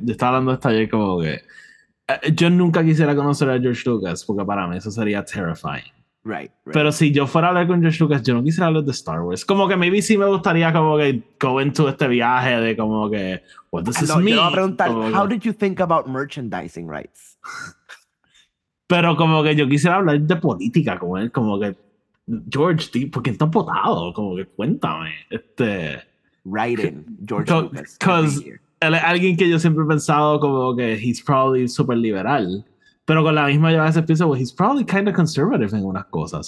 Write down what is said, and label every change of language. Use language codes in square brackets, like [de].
[es] Yo estaba hablando de esto ayer como que... yo nunca quisiera conocer a George Lucas porque para mí eso sería terrifying. [en] Right. [es] Pero si yo fuera a hablar con George Lucas, yo no quisiera hablar de Star Wars. Como que maybe sí me gustaría como que go into este viaje de como que... [en] What does this mean? Yo iba a preguntar, how did you think about merchandising rights? [es] Pero como que yo quisiera hablar de política con él, como que... George, tío, ¿por qué está potado? Como que cuéntame. [en] Writing, George Lucas. [es] Because alguien que yo siempre he pensado como que he's probably super liberal, pero con la misma yo a veces pienso, well, he's probably kind of conservative en unas cosas.